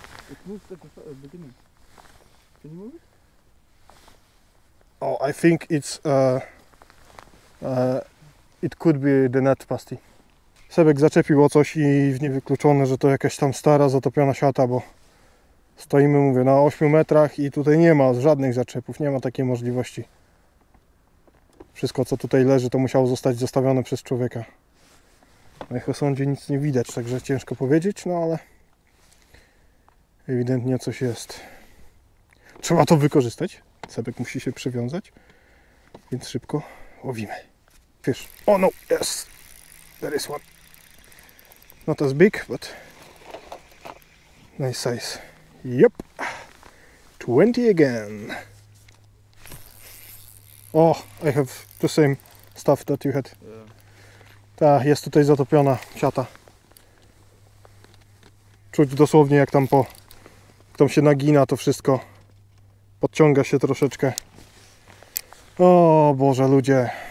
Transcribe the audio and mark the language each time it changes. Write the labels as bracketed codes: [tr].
[en] It moves at the beginning. Can you move it? Oh, I think it's it could be the net pasty. [pl] Sebek zaczepił o coś i w niewykluczone, że to jakaś tam stara, zatopiona siata, bo stoimy, mówię, na 8 metrach i tutaj nie ma żadnych zaczepów, nie ma takiej możliwości. Wszystko, co tutaj leży, to musiało zostać zostawione przez człowieka. Na ich osądzie nic nie widać, także ciężko powiedzieć, no ale ewidentnie coś jest. Trzeba to wykorzystać. Sebek musi się przywiązać, więc szybko łowimy. [en] Fish. Oh no, yes! There is one. Not as big, but nice size. Yep. 20 again. Oh, I have the same stuff that you had. Yeah. [pl] Ta, jest tutaj zatopiona siata. Czuć dosłownie, jak tam tam się nagina to wszystko. Podciąga się troszeczkę. O Boże, ludzie.